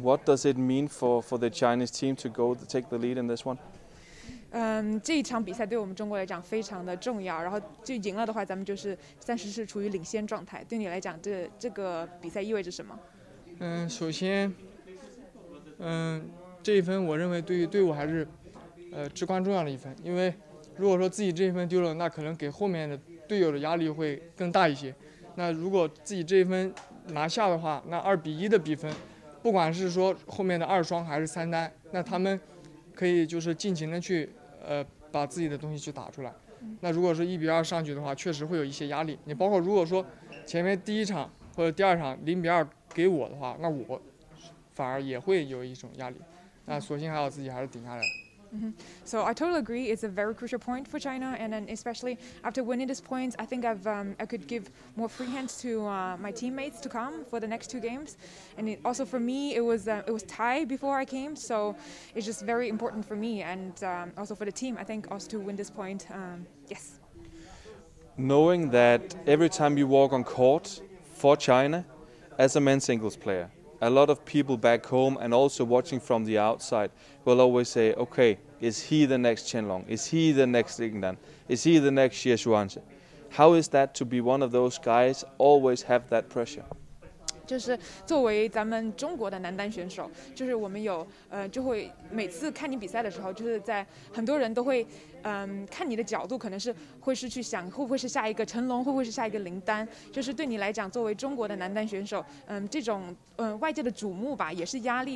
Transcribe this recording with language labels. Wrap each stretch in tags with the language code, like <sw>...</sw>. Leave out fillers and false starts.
<en>What does it mean for the Chinese team to go to take the lead in this one?</en> <zh>这一场比赛对我们中国来讲非常的重要，然后就赢了的话，咱们就是暂时是处于领先状态。对你来讲，这个比赛意味着什么？首先，这一分我认为对我还是，至关重要的一分，因为如果说自己这一分丢了，那可能给后面的队友的压力会更大一些。那如果自己这一分拿下的话，那2-1的比分，不管是说后面的二双还是三单，那他们可以就是尽情的去，把自己的东西去打出来。那如果是1-2上去的话，确实会有一些压力。你包括如果说前面第一场或者第二场0-2给我的话，那我反而也会有一种压力。那索性还好自己还是顶下来。</zh> <en>So I totally agree. It's a very crucial point for China, and then especially after winning this point, I think I could give more free hands to my teammates to come for the next two games. And it, also for me, it was tie before I came, so it's just very important for me and also for the team. I think also to win this point. Yes. Knowing that every time you walk on court for China, as a men's singles player. A lot of people back home and also watching from the outside will always say, okay, is he the next Chen Long? Is he the next Ling Dan? Is he the next Xie Shuanzhi? How is that to be one of those guys always have that pressure?</en> <zh>就是作为咱们中国的男单选手，就是我们有就会每次看你比赛的时候，就是在很多人都会看你的角度，可能是会是去想会不会是下一个成龙，会不会是下一个林丹。就是对你来讲，作为中国的男单选手，这种外界的瞩目吧，也是压力。</zh>